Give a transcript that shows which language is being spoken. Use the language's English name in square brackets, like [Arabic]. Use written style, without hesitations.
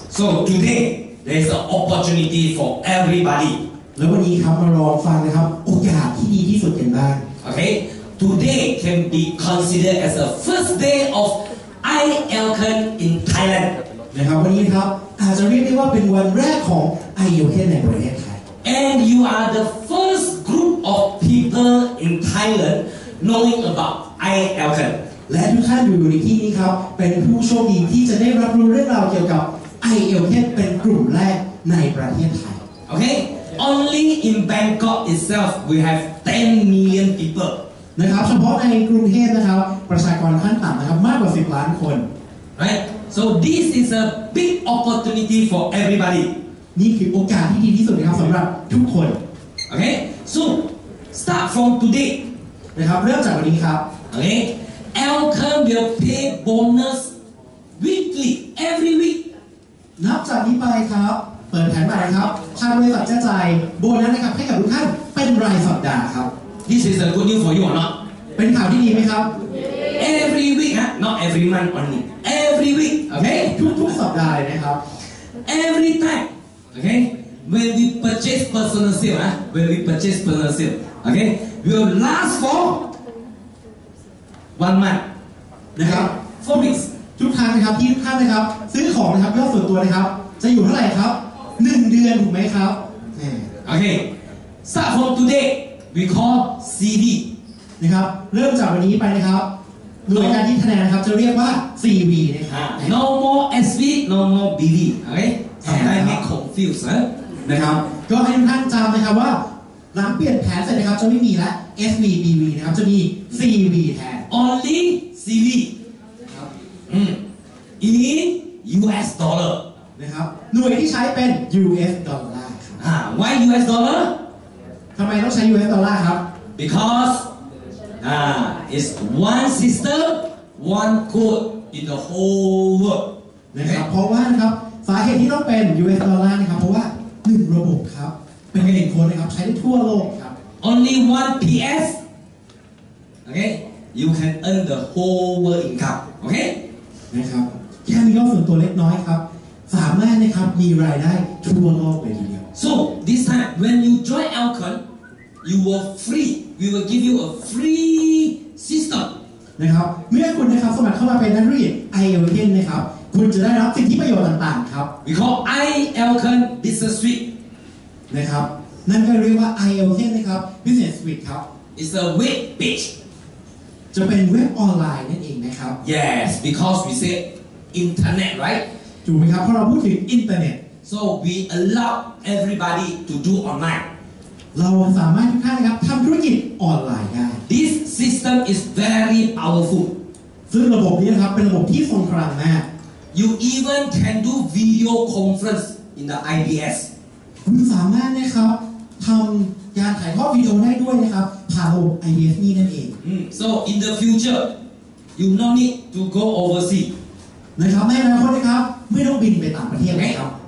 [English] So today there's an opportunity for everybody [Thai] แล้ววันนี้ครับมารอฟังนะครับโอกาสที่ดีที่สุดกันบ้าง [English] Okay today can be considered as the first day of ILKEN in Thailand [Thai] นะครับวันนี้ครับอาจจะเรียกได้ว่าเป็นวันแรกของ ILKEN ในประเทศไทย [English] And you are the first group of people in Thailand knowing about IELTS [Thai] และทุกท่านอยู่ในที่นี้ครับเป็นผู้โชคดีที่จะได้รับรู้เรื่องราวเกี่ยวกับ IELTS เป็นกลุ่มแรกในประเทศไทย [English] โอเค only in Bangkok itself we have 10 million people [Thai] นะครับเฉพาะในกรุงเทพนะครับประชากรขั้นต่ำนะครับมากกว่า10ล้านคน [English] right so this is a big opportunity for everybody [Thai] นี่คือโอกาสที่ดีที่สุดนะครับสำหรับทุกคน [English] โอเค so start from today [Thai] นะครับเริ่มจากวันนี้ครับ [English] โอเคElCAM will pay bonus weekly every week [Thai] นับจากนี้ไปครับเปิดแผนใหม่ครับทางบริษัทจะจ่ายโบนัสนะครับให้กับทุกท่านเป็นรายสัปดาห์ครับ [English] This is a good news for you or not [Thai] เป็นข่าวที่ดีไหมครับ [English] Every week ฮะ not every month only every week okay [Thai] ทุกสัปดาห์เลยนะครับ [English] Every time okay when we purchase personal sale ฮะ when we purchase personal sale okay will last forOne month [Thai] นะครับ [English] 4 weeks [Thai] ทุกท่านนะครับที่ทุกท่านนะครับซื้อของนะครับยอดส่วนตัวนะครับจะอยู่เท่าไหร่ครับ1เดือนถูกไหมครับ [English] โอเค Start from today we call CD [Thai] นะครับเริ่มจากวันนี้ไปนะครับหน่วยงานที่คะแนนนะครับจะเรียกว่า CV นะครับ [English] No more SV No more BV โอเค Sometimes we confuse [Thai] นะครับก็ให้ทุกท่านจำนะครับว่าหลังเปลี่ยนแผนเสร็จนะครับจะไม่มีแล้ว SV BV นะครับจะมี CV แทน [English] Only CV in US dollar [Thai] นะครับหน่วยที่ใช้เป็น US dollar [English] Why US dollar [Thai] ทำไมต้องใช้ US dollar ครับ [English] Because it's one system one code in the whole world [Thai] นะครับเพราะว่านะครับสาเหตุที่ต้องเป็น US dollar นะครับเพราะว่า1ระบบครับเป็นหนึ่งคนนะครับใช้ได้ทั่วโลกครับ [English] Only one PS okayYou can earn the whole world income, okay? [Thai] นะครับแค่มียอดส่วนตัวเล็กน้อยครับสามารถนะครับมีรายได้ทั่วโลกไปเลย [English] So this time when you join Alcon, you will free. We will give you a free system. [Thai] นะครับเมื่อคุณนะครับสมัครเข้ามาเป็นนักเรียน IELTS นะครับคุณจะได้รับสิทธิประโยชน์ต่างๆครับ [English] We call IELTS Business Suite. [Thai] นะครับนั่นก็เรียกว่า IELTS นะครับ Business Suite ครับ [English] It's a web page. [Thai] จะเป็นเว็บออนไลน์นั่นเองนะครับ [English] Yes because we say internet right [Thai] ถูกไหมครับเพราะเราพูดถึงอินเทอร์เน็ต [English] so we allow everybody to do online [Thai] เราสามารถทุกท่านนะครับทำธุรกิจออนไลน์ได้ [English] This system is very powerful [Thai] ซึ่งระบบนี้นะครับเป็นระบบที่ทรงพลังมาก [English] You even can do video conference in the IBS [Thai] คุณสามารถนะครับทำการถ่ายทอดวิดีโอได้ด้วยนะครับผ่านระบบ IBS นี่นั่นเอง [English] So in the future you no need to go overseas [Thai] นะครับในอนาคตนะครับไม่ต้องบินไปต่างประเทศนะครับ